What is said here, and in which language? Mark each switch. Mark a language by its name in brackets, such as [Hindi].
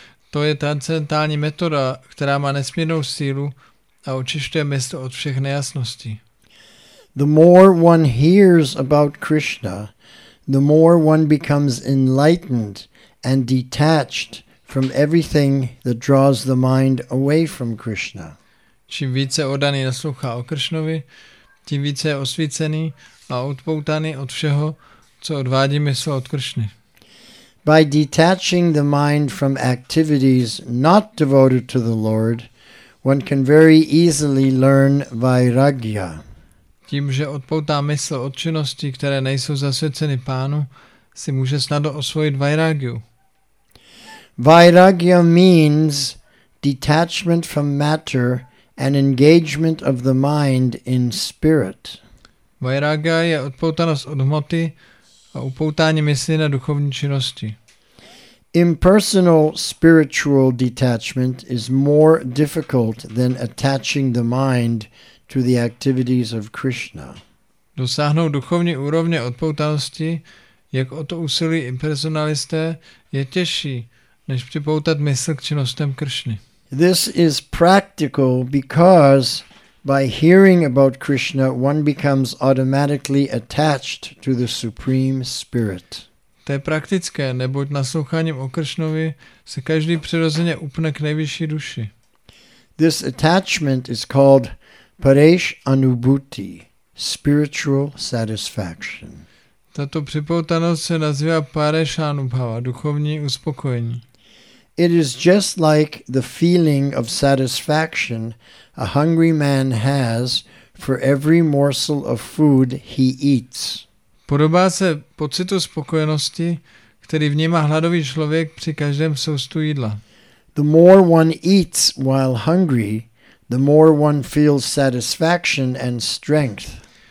[Czech] To je transcendentální metoda, která má nesmírnou sílu a očišťuje mysl od všech nejasností. [English] The more one hears about Krishna, the more one becomes enlightened and detached from everything that draws the mind away from Krishna. [Czech] Čím více oddaný naslouchá o Kršnovi, tím více je osvícený a odpoutaný od všeho, co odvádí mysl od Kršny. [English] By detaching the mind from activities not devoted to the Lord, one can very easily learn vairagya. [Czech] Tím, že odpoutá mysl od činností, které nejsou zasvěceny pánu, si může snadno osvojit vairagyu. [English] Vairagya means detachment from matter and engagement of the mind in spirit. [Czech] Vairagya je odpoutanost od hmoty a upoutání mysli na duchovní činnosti. [English] Impersonal spiritual detachment is more difficult than attaching the mind to the activities of Krishna. [Czech] Dosáhnout duchovní úrovně odpoutanosti, jak o to usilují impersonalisté, je těžší, než připoutat mysl k činnostem Kršny. [English] This is practical because by hearing about Krishna, one becomes automatically attached to the Supreme Spirit. [Czech] To je praktické, neboť nasloucháním o Kršnovi se každý přirozeně upne k nejvyšší duši. [English] This attachment is called paresh anubhuti, spiritual satisfaction. [Czech] Tato připoutanost se nazývá paresh anubhava, duchovní uspokojení. [English] It is just like the feeling of satisfaction a hungry man has for every morsel of food he eats. [Czech] Podobá se pocitu spokojenosti, který vnímá hladový člověk při každém soustu jídla. [English] The more one eats while hungry, the more one feels satisfaction and strength.